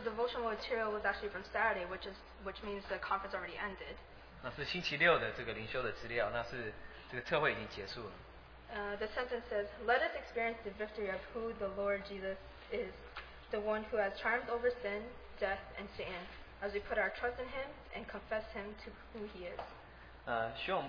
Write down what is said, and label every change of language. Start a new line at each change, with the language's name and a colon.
English: devotional material was actually from Saturday, which means the conference already ended.
Chinese: 那是星期六的这个灵修的资料，那是这个特会已经结束了。
English: The sentence says, "Let us experience the victory of who the Lord Jesus is, the one who has triumphed over sin, death, and Satan, as we put our trust in Him and confess Him to who He is."